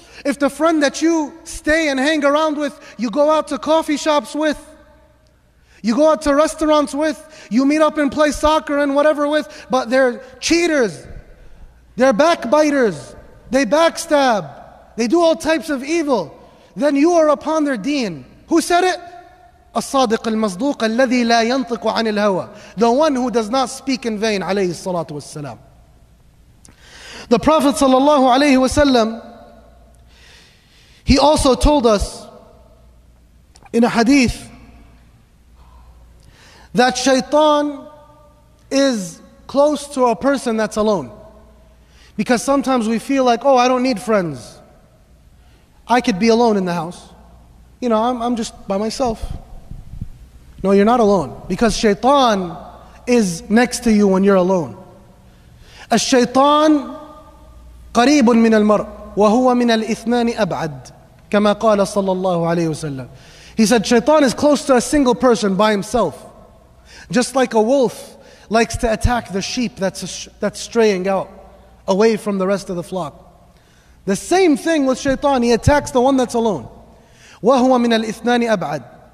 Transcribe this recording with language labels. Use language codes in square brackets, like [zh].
[en] If the friend that you stay and hang around with, you go out to coffee shops with, you go out to restaurants with, you meet up and play soccer and whatever with, but they're cheaters, they're backbiters, they backstab, they do all types of evil, then you are upon their deen. Who said it? [ar] الصادق المصدوق الذي لا ينطق عن الهوى. [en] The one who does not speak in vain, عليه الصلاة والسلام. The Prophet صلى الله عليه وسلم, he also told us in a hadith that shaitan is close to a person that's alone. Because sometimes we feel like, oh, I don't need friends. I could be alone in the house. You know, I'm just by myself. No, you're not alone. Because shaitan is next to you when you're alone. [ar] الشيطان قريب من المرء وهو من الاثنان أبعد كما قال صلى الله عليه وسلم. [en] He said, shaitan is close to a single person by himself. Just like a wolf likes to attack the sheep that's straying out away from the rest of the flock. The same thing with shaitan, he attacks the one that's alone. [ar] وَهُوَ مِنَ الْإِثْنَانِ أَبْعَدْ.